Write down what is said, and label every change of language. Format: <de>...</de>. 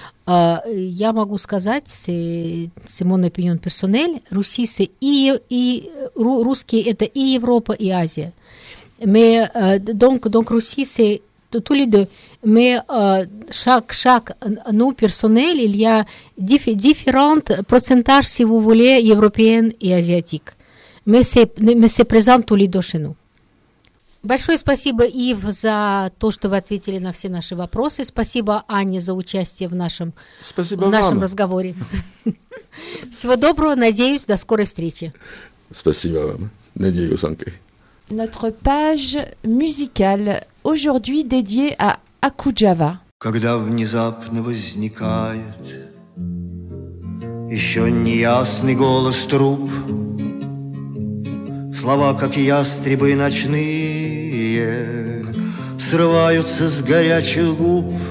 <ru>Я могу сказать,</ru> <fr>c'est mon opinion personnelle, Russie, c'est</fr> <ru>русские, это и Европа, и Азия.</ru> <fr>Mais, donc Russie, c'est tous les deux. Mais chaque nous personnel, il y a différents pourcentages, si vous voulez, européens et asiatiques. Mais c'est présent tous les deux chez nous.</fr> <ru>Большое спасибо, Ив, за то, что вы ответили на все наши вопросы. Спасибо, Аня, за участие в нашем разговоре. Всего доброго. Надеюсь, до скорой встречи. Спасибо вам. Надеюсь, Анка.</ru> <fr>Notre page musicale aujourd'hui dédiée à Акуджава.</fr> <ru>Когда внезапно возникает еще неясный голос труб, слова, как ястребы ночные, срываются с горячих губ.</ru>